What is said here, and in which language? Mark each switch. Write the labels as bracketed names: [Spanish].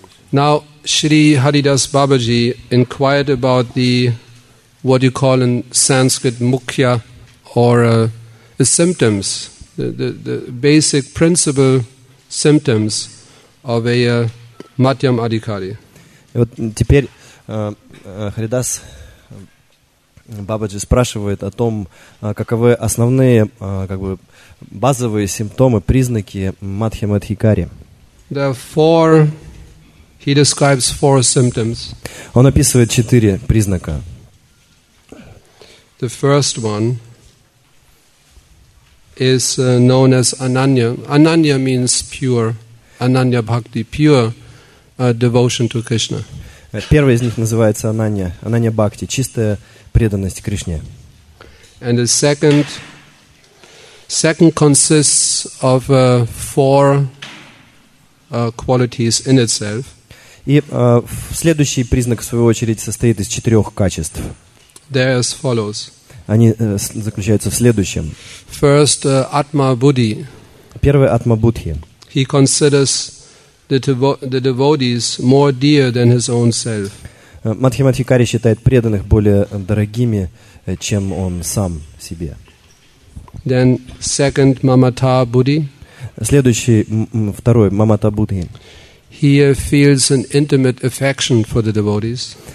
[English] Now, Shri Haridas Babaji inquired about the what you call in Sanskrit mukhya, or the symptoms, the basic principal symptoms of a Madhyam Adhikari. [Russian] Вот теперь Харидас Бабаджи спрашивает о том, каковы основные, как бы, базовые симптомы, признаки Мадхьям Адхикари. [English] There are four, he describes four symptoms. [Russian] Он описывает четыре признака. [English] The first one is known as ananya. Ananya means pure, ananya bhakti, pure devotion to Krishna. [Russian] Первый из них называется ананья, ананья бхакти, чистая преданность Кришне. [English] And the second consists of four qualities in itself. [Russian] И следующий признак, в свою очередь, состоит из четырех качеств. [English] They're as follows. [Russian] Они заключаются в следующем. [English] First, Atma Buddhi. [Russian] Первый — Атма Будхи. [English] He considers the devotees more dear than his own self. [Russian] Мадхьям Адхикари считает преданных более дорогими, чем он сам себе. [English] Then second, Mamata Buddhi. [Russian] Следующий, второй — Мамата Будхи. [English] He feels an intimate affection for the devotees.